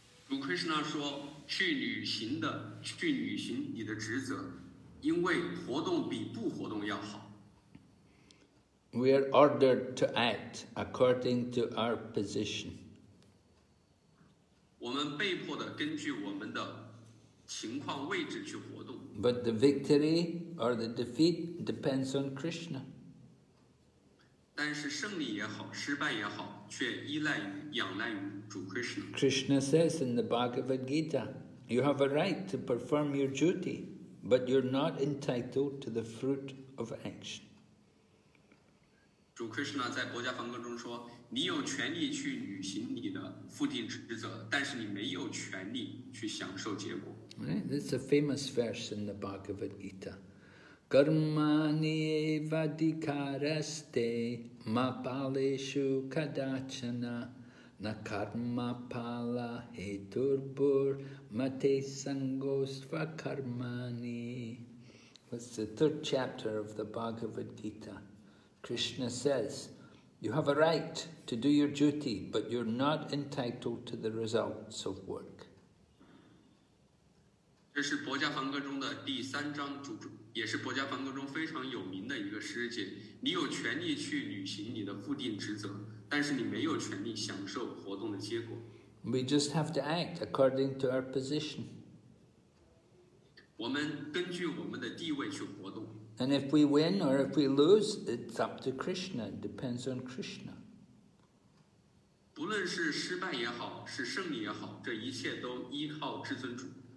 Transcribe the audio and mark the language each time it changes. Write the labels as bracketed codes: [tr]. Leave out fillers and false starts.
[zh] Guru Krishna 说，去履行你的职责，因为活动比不活动要好。 [en] We are ordered to act according to our position. [zh] 我们被迫的根据我们的情况位置去活动。 [en] But the victory or the defeat depends on Krishna. [zh] 但是胜利也好，失败也好，却依赖于仰赖于主 Krishna. [en] Krishna says in the Bhagavad Gita, you have a right to perform your duty, but you're not entitled to the fruit of action. [zh] 主 Krishna 在薄伽梵歌中说，你有权利去履行你的附近职责，但是你没有权利去享受结果。 [en] Right? This is a famous verse in the Bhagavad Gita. [sa] Karmani vadikaraste mapaleshu kadachana na karma pala heturbur mate sangosva karmani. [en] That's the third chapter of the Bhagavad Gita. Krishna says, you have a right to do your duty, but you're not entitled to the results of work. [zh] 这是薄伽梵歌中的第三章，也是薄伽梵歌中非常有名的一个诗节。你有权利去履行你的附定职责，但是你没有权利享受活动的结果。 [en] We just have to act according to our position. [zh] 我们根据我们的地位去活动。 [en] And if we win or if we lose, it's up to Krishna. It depends on Krishna. [zh] 不论是失败也好，是胜利也好，这一切都依靠至尊主。